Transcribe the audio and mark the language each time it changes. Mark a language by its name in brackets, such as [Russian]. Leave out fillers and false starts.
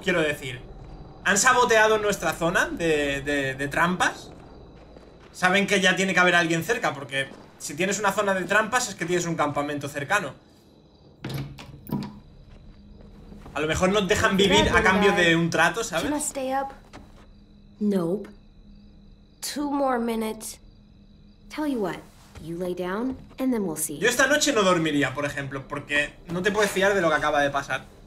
[Spanish] Quiero decir, han saboteado nuestra zona de trampas. Saben que ya tiene que haber alguien cerca, porque si tienes una zona de trampas es que tienes un campamento cercano. A lo mejor nos dejan vivir a cambio de un trato, ¿sabes? [English] Nope. Two more minutes. Tell you what, you lay down and then we'll see. [Spanish] Yo esta noche no dormiría, por ejemplo, porque no te puedes fiar de lo que acaba de pasar.